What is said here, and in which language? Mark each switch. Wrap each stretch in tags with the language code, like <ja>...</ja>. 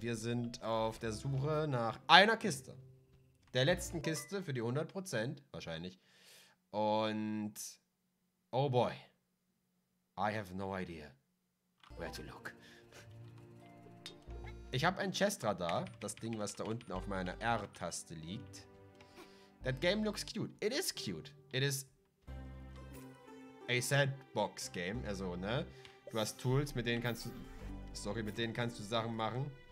<de>Wir sind auf der Suche nach einer Kiste. Der letzten Kiste für die 100%, wahrscheinlich.</de> <en>Und, oh boy, I have no idea where to look.</en> <de>Ich habe ein Chestradar, das Ding, was da unten auf meiner R-Taste liegt.</de> <en>That game looks cute. It is cute. It is a sandbox game.</en> <de>Also, ne? Du hast Tools, mit denen kannst du Sachen machen.</de>